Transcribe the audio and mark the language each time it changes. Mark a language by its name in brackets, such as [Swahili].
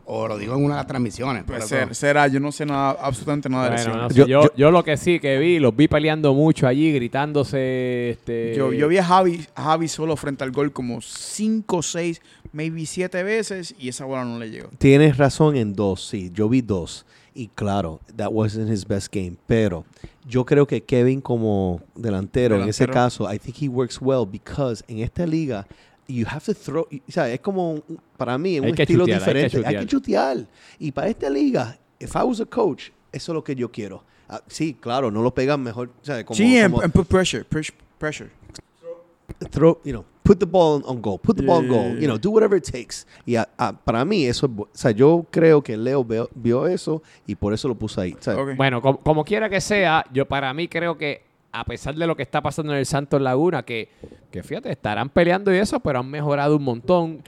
[Spanish] O lo dijo en una de las transmisiones. Puede ser, será. Yo no sé nada, absolutamente nada de lesión. Yo lo que sí que vi, los vi peleando mucho allí, gritándose. Yo vi a Javi solo frente al gol como 5 o 6... [English] maybe [Spanish] 7 veces y esa bola no le llegó. Tienes razón en 2, sí. Yo vi 2 y claro, [English] that wasn't his best game. [Spanish] Pero yo creo que Kevin como delantero, en ese caso, [English] I think he works well because [Spanish] en esta liga, [English] you have to throw, [Spanish] o sea, es como para mí un estilo chutear, diferente. Hay que chutear. Y para esta liga, [English] if I was a coach, [Spanish] eso es lo que yo quiero. Sí, claro, no lo pegan mejor. O sea, como, sí, como, [English] and put pressure, pressure. Throw, you know, put the ball on goal. Put the ball on goal. You know, do whatever it takes. [Spanish] Y para mí, eso, o sea, yo creo que Leo vio eso y por eso lo puse ahí. O sea, [English] okay. [Spanish] Bueno, como quiera que sea, yo para mí creo que a pesar de lo que está pasando en el Santos Laguna, que fíjate, estarán peleando y eso, pero han mejorado un montón.